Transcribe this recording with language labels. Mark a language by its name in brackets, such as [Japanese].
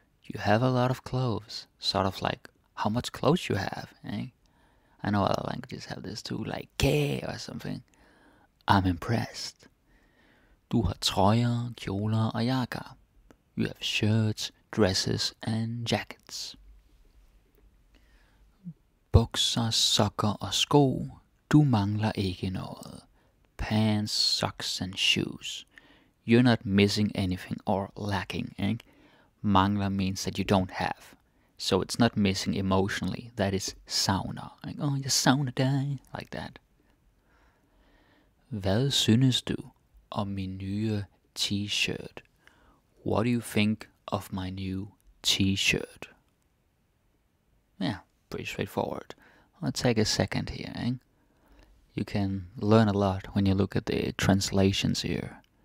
[English] You have a lot of clothes, sort of like how much clothes you have, eh? I know other languages have this too, like K or something. I'm impressed. [Danish] Du har trøjer, kjoler og jakker. [English] You have shirts, dresses and jackets. [Danish] Bukser, sokker og sko. Du mangler ikke noget. [English] Pants, socks and shoes. You're not missing anything or lacking, eh? Mangler means that you don't have. So it's not missing emotionally. That is savner. Like, oh, you savner dig. Like that. [Danish] Hvad synes du om min nye t-shirt? [English] What do you think of my new t-shirt? Yeah, pretty straightforward. I'll take a second here, eh? You can learn a lot when you look at the translations here.